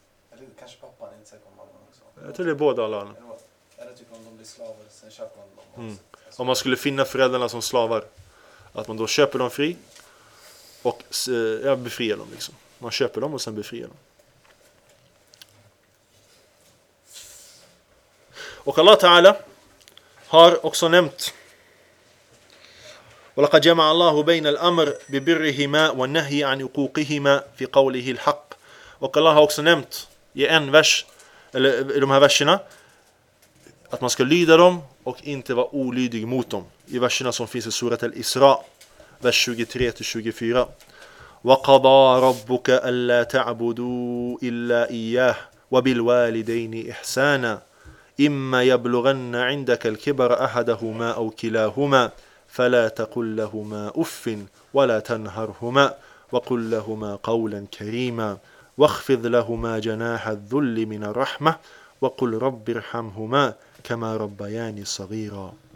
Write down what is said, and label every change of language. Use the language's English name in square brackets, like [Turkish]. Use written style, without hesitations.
[Swedish] Eller kanske pappan inte säker på mamman också. Jag tror det är båda alla. Eller typ om de blir slavar, sen köper man dem. Mm. Om man skulle finna föräldrarna som slavar, att man då köper dem fri. Och jag befriar dem liksom. Man köper dem och sen befriar dem. Och Allah Ta'ala har också nämnt: [Arabic] وَلَقَدْ جَمَعَ اللَّهُ بَيْنَ الْأَمْرِ بِبِرِّهِمَا وَالنَّهِي عَنْ عُقُوقِهِمَا فِي قَوْلِهِ الْحَقِّ. [Swedish] Och Allah har också nämnt i en vers, eller i de här verserna, att man ska lyda dem och inte vara olydig mot dem. I verserna som finns i surat Al-Isra, vers 23-24. [Arabic] وَقَضَى رَبُّكَ أَلَّا تَعْبُدُوا إِلَّا إِيَّهِ وَبِالْوَالِدَيْنِ إِحْسَانًا إِمَّا يَبْلُغَنَّ عِنْدَكَ الْكِبَرَ أَحَدَهُمَا أَوْ كِلَاهُمَا فَلَا تَقُلْ لَهُمَا أُفٍّ وَلَا تَنْهَرْهُمَا وَقُلْ لَهُمَا قَوْلًا كَرِيمًا وَاخْفِضْ لَهُمَا جَنَاحَ الذُّلِّ مِنَ الرَّحْمَةِ وَقُلْ رَبِّ ارْحَمْهُمَا كَمَا رَبَّيَانِي صَغِيرًا.